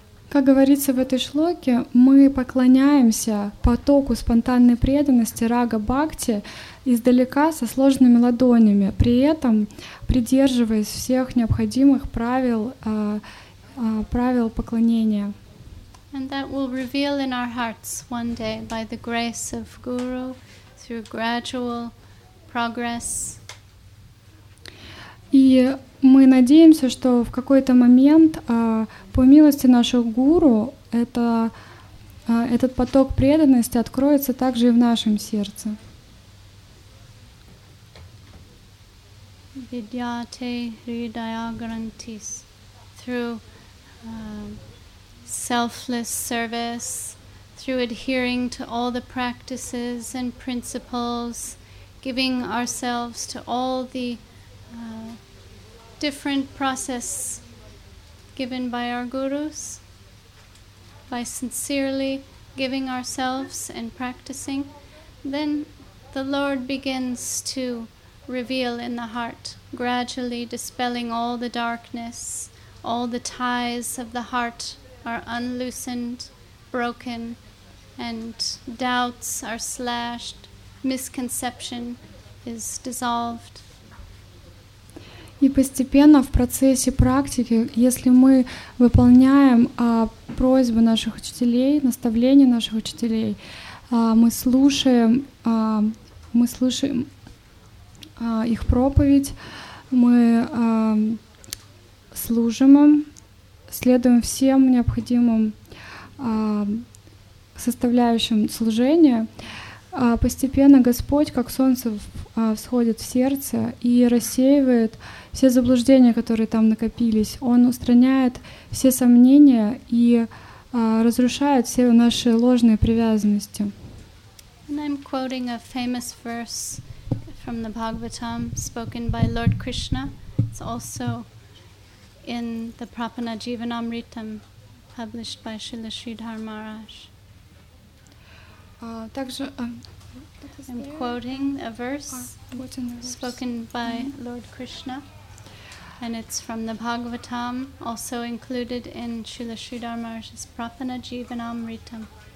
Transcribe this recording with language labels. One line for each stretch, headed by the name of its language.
Russian: Как говорится в этой шлоке, мы поклоняемся потоку спонтанной преданности Рага Бхакти издалека со сложными ладонями, при этом придерживаясь всех необходимых правил поклонения.
English: And that will reveal in our hearts one day by the grace of Guru through gradual progress.
Russian: И мы надеемся, что в какой-то момент по милости наших гуру этот поток преданности откроется также и в нашем сердце.
Sanskrit: Vidyate hridaya grantis
English: through selfless service, through adhering to all the practices and principles, giving ourselves to all the different process given by our gurus, by sincerely giving ourselves and practicing, then the Lord begins to reveal in the heart, gradually dispelling all the darkness, all the ties of the heart are unloosened, broken, and doubts are slashed, misconception is dissolved.
Russian: И постепенно в процессе практики, если мы выполняем просьбы наших учителей, наставления наших учителей, мы слушаем их проповедь, мы служим им, следуем всем необходимым составляющим служения, постепенно Господь, как солнце, всходит в сердце и рассеивает все заблуждения, которые там накопились. Он устраняет все сомнения и разрушает все наши ложные привязанности.
English: And I'm quoting a famous verse from the Bhagavatam spoken by Lord Krishna. It's also in the Prapanajivanamritam published by Srila Sridhar Maharaj. I'm quoting a verse spoken by Lord Krishna, and it's from the Bhagavatam, also included in Srila Sridhar Maharaj's Prapanajivanamritam.